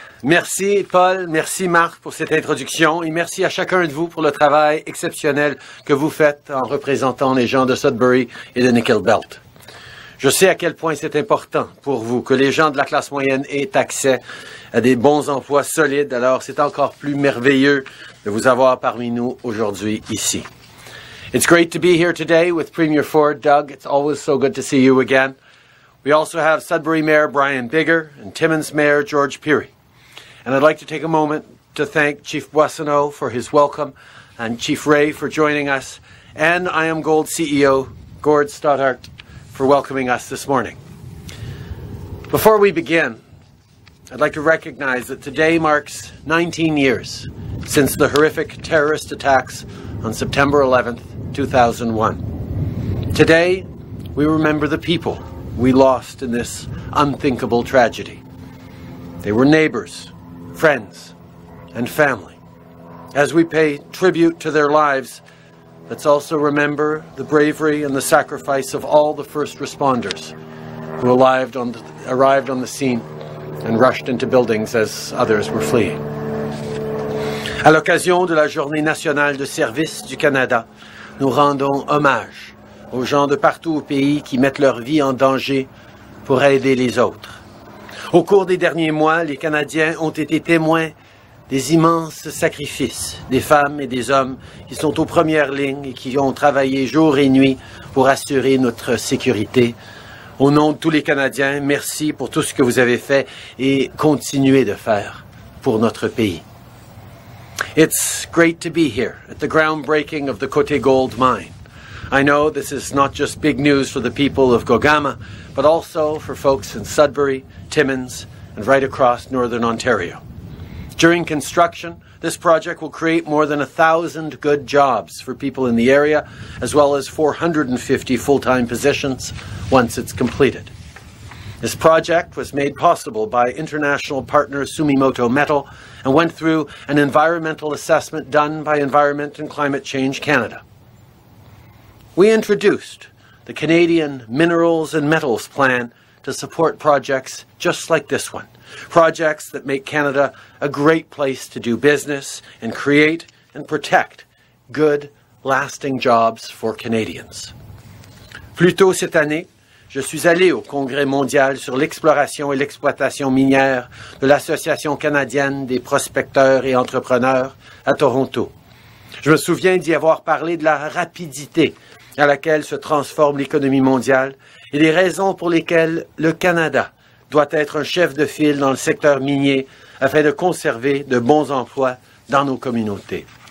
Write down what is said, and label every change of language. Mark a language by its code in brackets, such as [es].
[fr] Merci Paul, merci Marc pour cette introduction et merci à chacun de vous pour le travail exceptionnel que vous faites en représentant les gens de Sudbury et de Nickel Belt. Je sais à quel point c'est important pour vous que les gens de la classe moyenne aient accès à des bons emplois solides, alors c'est encore plus merveilleux de vous avoir parmi nous aujourd'hui ici. [en] It's great to be here today with Premier Ford, Doug. It's always so good to see you again. We also have Sudbury Mayor Brian Bigger and Timmins Mayor George Peary. And I'd like to take a moment to thank Chief Boissonneau for his welcome and Chief Ray for joining us and I Am Gold CEO Gord Stothart for welcoming us this morning. Before we begin, I'd like to recognize that today marks 19 years since the horrific terrorist attacks on September 11th, 2001. Today, we remember the people we lost in this unthinkable tragedy. They were neighbors, friends, and family. As we pay tribute to their lives, let's also remember the bravery and the sacrifice of all the first responders who arrived on the scene and rushed into buildings as others were fleeing. [fr] À l'occasion de la Journée nationale de service du Canada, nous rendons hommage aux gens de partout au pays qui mettent leur vie en danger pour aider les autres. Au cours des derniers mois, les Canadiens ont été témoins des immenses sacrifices des femmes et des hommes qui sont aux premières lignes et qui ont travaillé jour et nuit pour assurer notre sécurité. Au nom de tous les Canadiens, merci pour tout ce que vous avez fait et continuez de faire pour notre pays. [en] It's great to be here at the groundbreaking of the Côté Gold Mine. I know this is not just big news for the people of Go Gamma, but also for folks in Sudbury, Timmins, and right across Northern Ontario. During construction, this project will create more than 1,000 good jobs for people in the area, as well as 450 full-time positions once it's completed. This project was made possible by international partner Sumimoto Metal and went through an environmental assessment done by Environment and Climate Change Canada. We introduced the Canadian Minerals and Metals Plan to support projects just like this one, projects that make Canada a great place to do business and create and protect good, lasting jobs for Canadians. [fr] Plus tôt cette année, Je suis allé au Congrès mondial sur l'exploration et l'exploitation minière de l'Association canadienne des prospecteurs et entrepreneurs à Toronto. Je me souviens d'y avoir parlé de la rapidité à laquelle se transforme l'économie mondiale et des raisons pour lesquelles le Canada doit être un chef de file dans le secteur minier afin de conserver de bons emplois dans nos communautés.